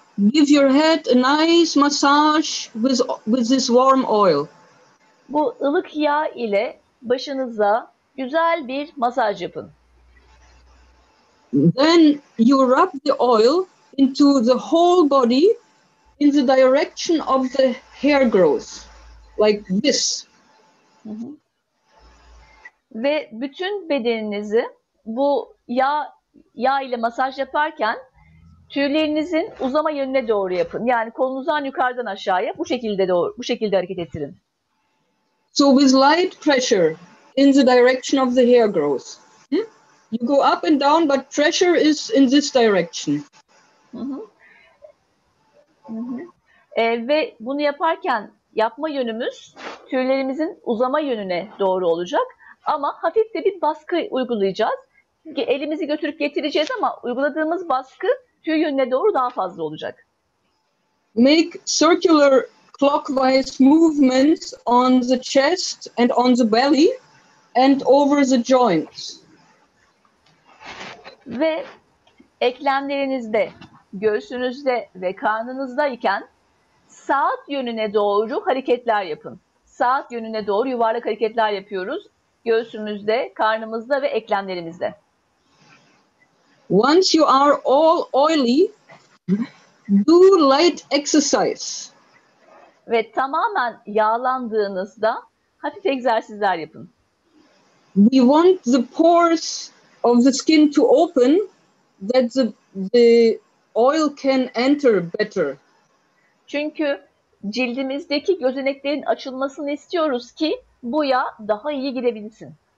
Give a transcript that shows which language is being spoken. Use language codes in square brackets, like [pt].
[en] Give your head a nice massage with this warm oil. [tr] Bu ılık yağ ile başınıza güzel bir masaj yapın. [en] Then you rub the oil into the whole body in the direction of the hair growth, like this. [tr] Ve bütün bedeninizi bu yağ ile masaj yaparken tüylerinizin uzama yönüne doğru yapın. Yani kolunuzdan yukarıdan aşağıya bu şekilde hareket ettirin. [en] So with light pressure in the direction of the hair growth. You go up and down, but pressure is in this direction. [tr] Ve bunu yaparken yapma yönümüz tüylerimizin uzama yönüne doğru olacak. Ama hafif de bir baskı uygulayacağız. Çünkü elimizi götürüp getireceğiz ama uyguladığımız baskı tüy yönüne doğru daha fazla olacak. [en] Make circular clockwise movements on the chest and on the belly and over the joints. [tr] Ve eklemlerinizde, göğsünüzde ve karnınızdayken saat yönüne doğru hareketler yapın. Saat yönüne doğru yuvarlak hareketler yapıyoruz. Göğsümüzde, karnımızda ve eklemlerimizde. [en] Once you are all oily, do light exercise. [tr] Ve tamamen yağlandığınızda hafif egzersizler yapın. [en] We want the pores of the skin to open that the oil can enter better. [tr] Çünkü cildimizdeki gözeneklerin açılmasını istiyoruz ki bu yağ daha iyi girebilsin.